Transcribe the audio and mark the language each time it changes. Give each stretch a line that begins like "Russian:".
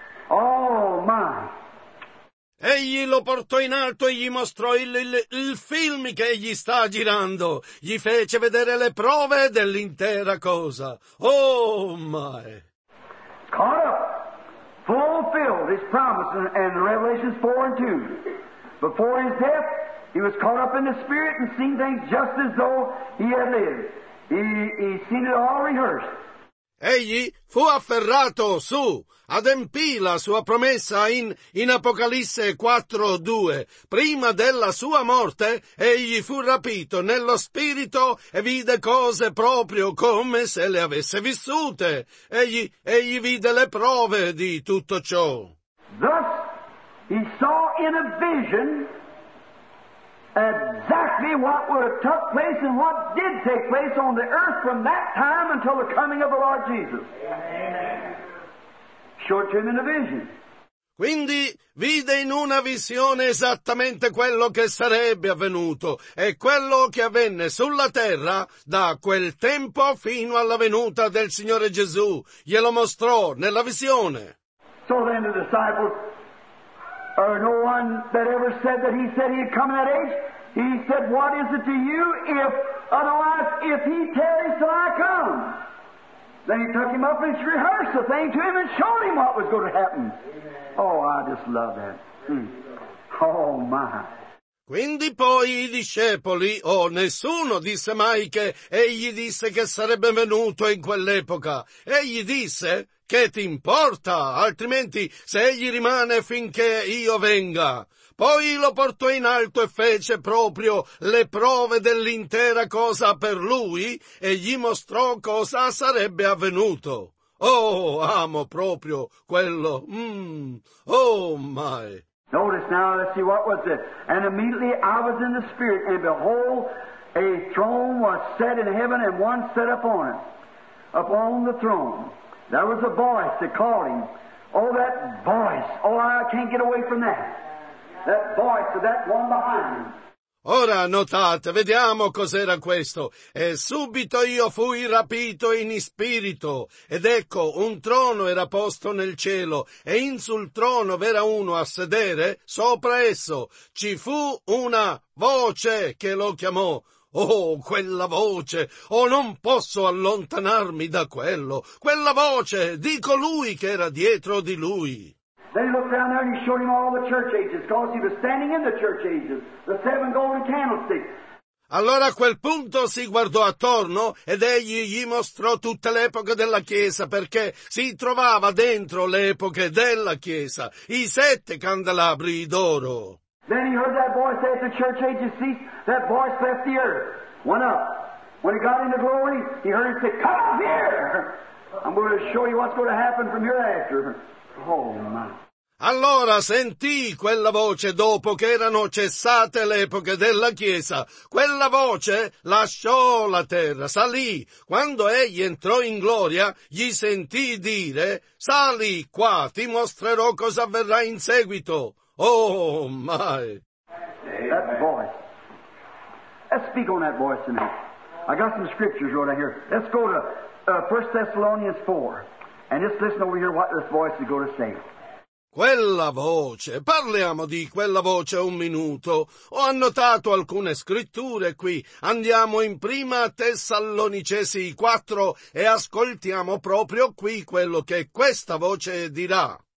English: Oh my.
Italian: Egli lo portò in alto e gli mostrò il film che egli sta girando. Gli fece vedere le prove dell'intera cosa.
English: Oh, my! Caught up, fulfilled his promise in Revelations 4 and 2. Before his death, he was caught up in the Spirit and seen things just as though he had lived. He seen it all rehearsed.
Italian: Egli fu afferrato su, adempì la sua promessa in Apocalisse 4:2. Prima della sua morte, egli fu rapito nello spirito e vide cose proprio come se le avesse vissute. Egli vide le prove di tutto ciò.
English: Thus, he saw in a vision exactly what would have took place and what did take place on the earth from that time until the coming of the Lord Jesus. Amen. Showed him in a vision.
Italian: Quindi vide in una visione esattamente quello che sarebbe avvenuto e quello che avvenne sulla terra da quel tempo fino alla venuta del Signore Gesù. Glielo mostrò nella visione.
English: So then the disciples, or no one that ever said he'd come in that age, he said, what is it to you if, otherwise, if he tarries till I come? Then he took him up and rehearsed the thing to him and showed him what was going to happen. Amen. Oh, I just love that. Mm. Oh, my.
Italian: Quindi poi i discepoli, nessuno disse mai che egli disse che sarebbe venuto in quell'epoca. Egli disse, che ti importa, altrimenti se egli rimane finché io venga. Poi lo portò in alto e fece proprio le prove dell'intera cosa per lui e gli mostrò cosa sarebbe avvenuto. Oh, amo proprio quello.
English: Oh, my. Notice now, let's see what was it. And immediately I was in the Spirit, and behold, a throne was set in heaven, and one set upon it. Upon the throne, there was a voice that called him. Oh, that voice. Oh, I can't get away from that. That voice of that one behind him.
Italian: Ora notate, vediamo cos'era questo. E subito io fui rapito in spirito, ed ecco, un trono era posto nel cielo, e in sul trono v'era uno a sedere, sopra esso. Ci fu una voce che lo chiamò. Oh, quella voce! Oh, non posso allontanarmi da quello! Quella voce di colui che era dietro di lui!
English: Then he looked down there and he showed him all the church ages, because he was standing in the church ages, the seven golden candlesticks.
Italian: Allora a quel punto si guardò attorno ed egli gli mostrò tutte le epoche della Chiesa, perché si trovava dentro le epoche della Chiesa, i sette candelabri d'oro.
English: Then he heard that voice at the church age ceased. That voice left the earth, went up. When he got into glory, he heard it say, come up here! I'm going to show you what's going to happen from hereafter. Oh my.
Italian: Allora sentì quella voce dopo che erano cessate le epoche della Chiesa. Quella voce lasciò la terra, salì. Quando egli entrò in gloria, gli sentì dire, sali qua, ti mostrerò cosa avverrà in seguito.
English: Oh, my! That voice. Let's speak on that voice tonight. I got some scriptures right here. Let's go to 1 Thessalonians 4. And just listen over here what this voice is going to say.
Italian: Quella voce, parliamo di quella voce un minuto. Ho annotato alcune scritture qui. Andiamo in prima Tessalonicesi 4 e ascoltiamo proprio qui quello che questa voce dirà.